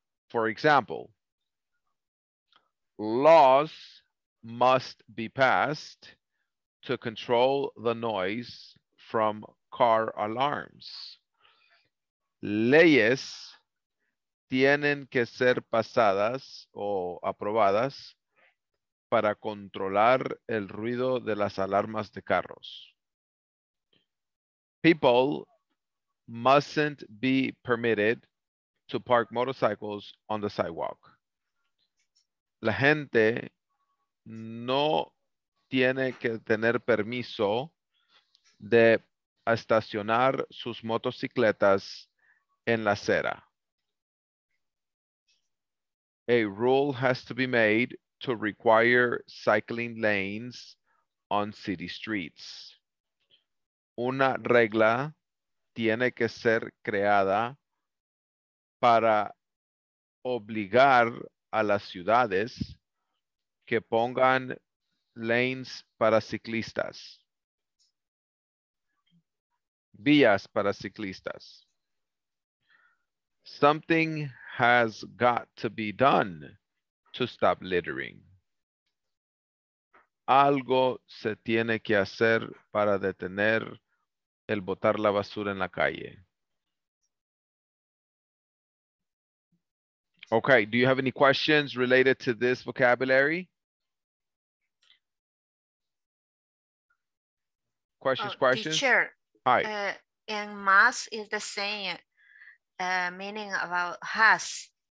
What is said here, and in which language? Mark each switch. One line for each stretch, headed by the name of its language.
English: For example, laws must be passed to control the noise from car alarms.
Spanish: Leyes tienen que ser pasadas o aprobadas para controlar el ruido de las alarmas de carros.
English: People mustn't be permitted to park motorcycles on the sidewalk.
Spanish: La gente no tiene que tener permiso de estacionar sus motocicletas en la acera.
English: A rule has to be made to require cycling lanes on city streets.
Spanish: Una regla tiene que ser creada para obligar a las ciudades que pongan lanes para ciclistas. Vías para ciclistas.
English: Something has got to be done to stop littering.
Spanish: Algo se tiene que hacer para detener el botar la basura en la calle.
English: Okay, do you have any questions related to this vocabulary? Questions? Teacher. Hi. And must is the same meaning about has.